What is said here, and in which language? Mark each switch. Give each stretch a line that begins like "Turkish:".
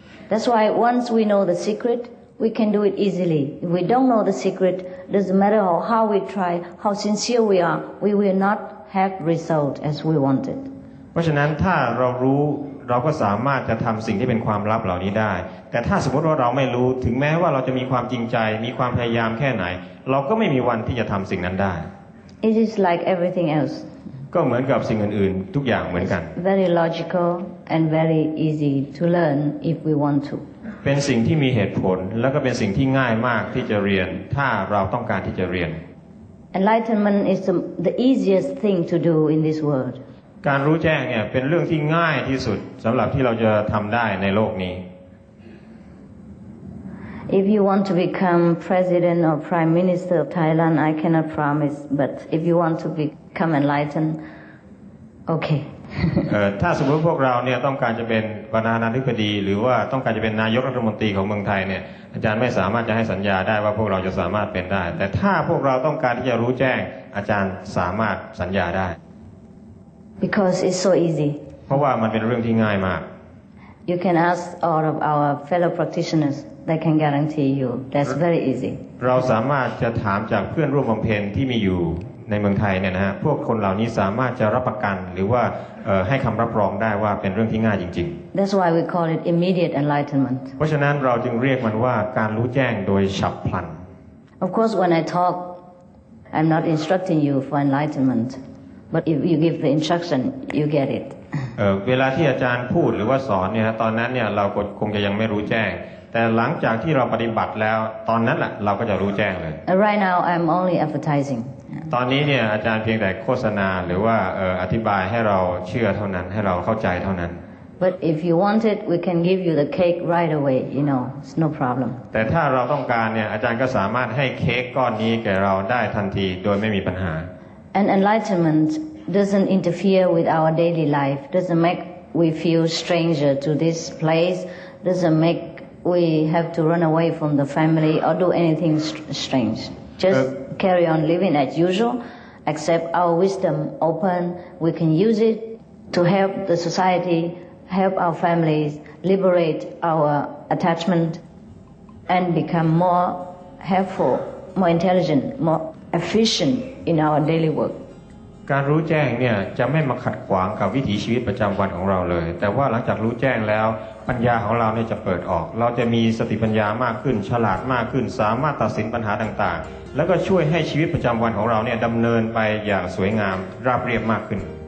English: That's why once we know the secret we can do it easily If we don't know the secret doesn't matter how we try how sincere we are we will not have result as we wanted
Thai: เพราะฉะนั้นถ้าเรารู้เราก็สามารถจะทำสิ่งที่เป็นความลับเหล่านี้ได้แต่ถ้าสมมติว่าเราไม่รู้ถึงแม้ว่าเราจะมีความจริงใจมีความพยายามแค่ไหนเราก็ไม่มีวันที่จะทำสิ่งนั้นได้
English: It is like everything else
Thai: ก็เหมือนกับสิ่งอื่นๆทุกอย่างเหมือนกัน
English: Very logical and very easy to learn if we want to
Thai: เป็นสิ่งที่มีเหตุผลแล้วก็เป็นสิ่งที่ง่ายมากที่จะเรียนถ้าเราต้องการที่จะเรียน
English: Enlightenment is the easiest thing to do in this world
Thai: การรู้แจ้งเนี่ยเป็นเรื่องที่ง่ายที่สุดสำหรับที่เราจะทำได้ในโลกนี้
English: If you want to become president or prime minister of Thailand I cannot promise but if you want to become enlightened okay
Thai: ถ้าสมมติพวกเราเนี่ยต้องการจะเป็นประธานาธิบดีหรือว่าต้องการจะเป็นนายกรัฐมนตรีของเมืองไทยเนี่ยอาจารย์ไม่สามารถจะให้สัญญาได้ว่าพวกเราจะสามารถเป็นได้แต่ถ้าพวกเราต้องการที่จะรู้แจ้งอาจารย์สามารถสัญญาได้
English: Because it's so easy.
Thai: เพราะว่ามันเป็นเรื่องที่ง่ายมาก
English: You can ask all of our fellow practitioners. They can guarantee you. That's very easy.
Thai: เราสามารถจะถามจากเพื่อนร่วมบำเพ็ญที่มีอยู่ในเมืองไทยเนี่ยนะฮะพวกคนเหล่านี้สามารถจะรับประกันหรือว่าให้คำรับรองได้ว่าเป็นเรื่องที่ง่ายจริง
English: ๆ That's why we call it immediate enlightenment.
Thai: เพราะฉะนั้นเราจึงเรียกมันว่าการรู้แจ้งโดยฉับพลัน
English: Of course, when I talk, I'm not instructing you for enlightenment. But if you give the instruction, you get it.
Thai: เวลาที่อาจารย์พูดหรือว่าสอนเนี่ยตอนนั้นเนี่ยเราคงจะยังไม่รู้แจ้งแต่หลังจากที่เราปฏิบัติแล้วตอนนั้นแหละเราก็จะรู้แจ้งเลย
English: Right now, I'm only advertising.
Thai: ตอนนี้เนี่ยอาจารย์เพียงแต่โฆษณาหรือว่าอธิบายให้เราเชื่อเท่านั้นให้เราเข้าใจเท่านั้น
English: But if you want it, we can give you the cake right away. You know, it's no problem.
Thai: แต่ถ้าเราต้องการเนี่ยอาจารย์ก็สามารถให้เค้กก้อนนี้แก่เราได้ทันทีโดยไม่มีปัญหา
English: And enlightenment doesn't interfere with our daily life, doesn't make we feel stranger to this place, doesn't make we have to run away from the family or do anything strange. Just carry on living as usual, accept our wisdom open, we can use it to help the society, help our families, liberate our attachment, and become more helpful, more intelligent, moreefficient in our daily work
Thai: การรู้แจ้งเนี่ยจะไม่มาขัดขวางกับวิถีชีวิตประจําวันของเราเลยแต่ว่าหลังจากรู้แจ้งแล้วปัญญาของเราเนี่ยจะเปิดออกเราจะมีสติปัญญามากขึ้นฉลาดมากขึ้นสามารถตัดสินปัญหาต่างๆแล้วก็ช่วยให้ชีวิตประจําวันของเราเนี่ยดําเนินไปอย่างสวยงามราบเรียบมากขึ้น